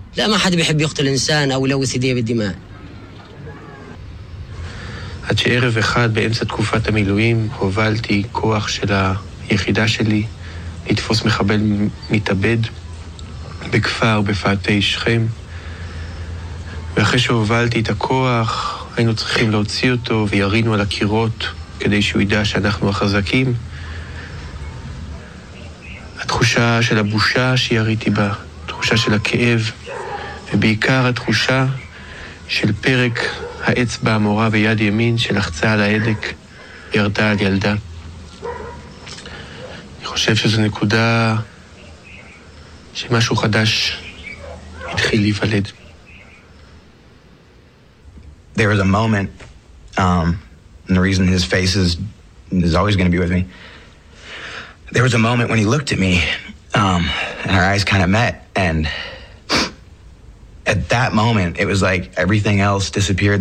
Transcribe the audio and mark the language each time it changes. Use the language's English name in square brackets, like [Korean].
[Arabic] لا، ما حد بيحب يقتل إنسان أو يلوث يديه بالدماء. [Hebrew] עד שערב אחד באמצע תקופת המילואים הובלתי כוח של היחידה שלי לתפוס מחבל מתאבד בכפר בפאתי שכם, ואחרי שהובלתי את הכוח היינו צריכים להוציא אותו וירינו על הקירות כדי שהוא ידע שאנחנו החזקים. התחושה של הבושה שיריתי בה, תחושה של הכאב, ובעיקר התחושה של פרק האצבע המורה ויד ימין שלחצה על ההדק ירדה על ילדה. אני חושב שזו נקודה שמשהו חדש התחיל להיוולד. [English] There was a moment, and the reason his face is always going to be with me. There was a moment when he looked at me, and our eyes kind of met, and at that moment, it was like everything else disappeared.